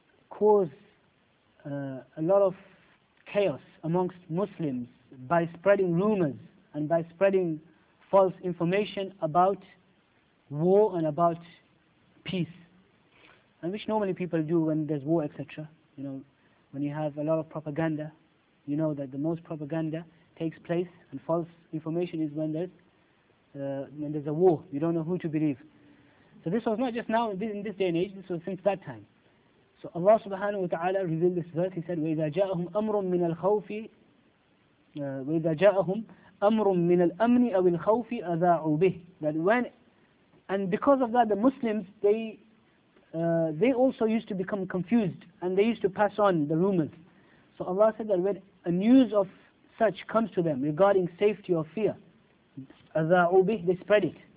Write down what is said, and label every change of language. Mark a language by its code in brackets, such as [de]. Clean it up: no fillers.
[en] cause a lot of chaos amongst Muslims by spreading rumors and by spreading false information about war and about peace. And which normally people do when there's war, etc. You know, when you have a lot of propaganda, you know that the most propaganda takes place and false information is when there's a war. You don't know who to believe. So this was not just now in this day and age, this was since that time. So Allah subhanahu wa ta'ala revealed this verse. He said, [ar] وَإِذَا جَاءَهُمْ أَمْرٌ مِّنَ الْخَوْفِ وَإِذَا جَاءَهُمْ أَمْرٌ مِّنَ الْأَمْنِ أَوِ الْخَوْفِ أَذَاعُوا بِهِ. [en] That when, and because of that, the Muslims, they also used to become confused and they used to pass on the rumors. So Allah said that when a news of such comes to them regarding safety or fear, [ar] أَذَاعُوا بِهِ, [en] they spread it.